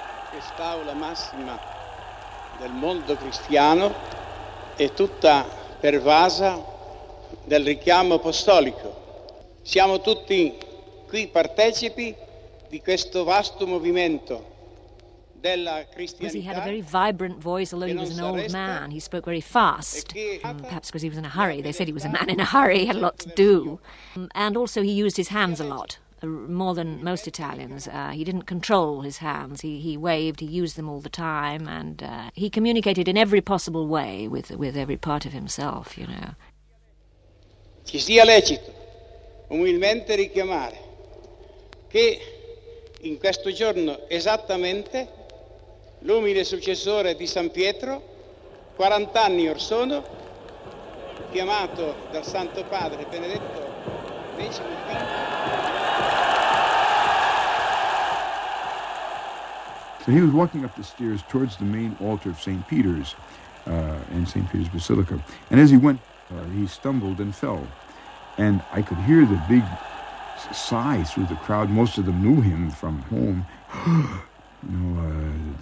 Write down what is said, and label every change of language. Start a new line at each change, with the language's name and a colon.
Italian: Quest'aula massima del mondo cristiano è tutta pervasa del richiamo apostolico. Siamo tutti qui partecipi di questo vasto movimento della cristianità.
English: Because he had a very vibrant voice, although he was an old man, he spoke very fast. Perhaps because he was in a hurry. They said he was a man in a hurry, had a lot to do. And also he used his hands a lot. More than most Italians. He didn't control his hands. He waved, he used them all the time, and he communicated in every possible way with every part of himself, you know.
Italian: Ci sia lecito umilmente richiamare che in questo giorno esattamente l'umile successore di San Pietro, 40 anni or sono, chiamato dal Santo Padre Benedetto XV.
English: So he was walking up the stairs towards the main altar of St. Peter's in St. Peter's Basilica. And as he went, he stumbled and fell. And I could hear the big sigh through the crowd. Most of them knew him from home.